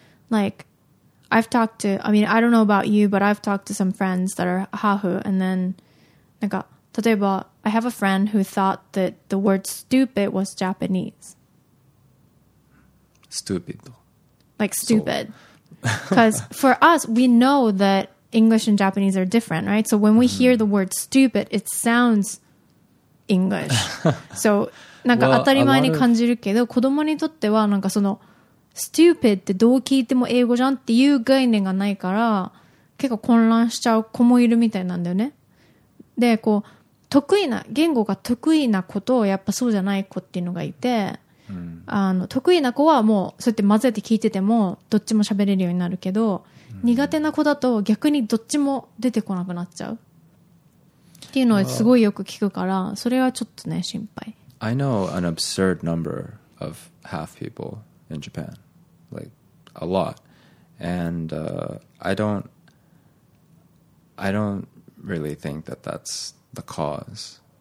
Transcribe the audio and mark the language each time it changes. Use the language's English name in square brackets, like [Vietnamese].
[English] Like, I've talked to, I mean, I don't know about you, but I've talked to some friends that are Hahu, and then, like, [Japanese] 例えば [English] I have a friend who thought that the word stupid was Japanese. Stupid. Like, stupid. So, Because for us, we know that English and Japanese are different, right? So when we hear the word stupid, it sounds English. [Japanese] So, なんか当たり前に感じるけど、子供にとってはなんかその stupid ってどう聞いても英語じゃんっていう概念がないから、結構混乱しちゃう子もいるみたいなんだよね。で、こう、得意な、言語が得意な子とやっぱそうじゃない子っていうのがいて、あの得意な子はもうそうやって混ぜて聞いててもどっちも喋れるようになるけど、苦手な子だと逆にどっちも出てこなくなっちゃうっていうのをすごいよく聞くから、それはちょっとね心配。 [English] I know an absurd number of half people in Japan, like a lot, and I don't really think that that's the cause.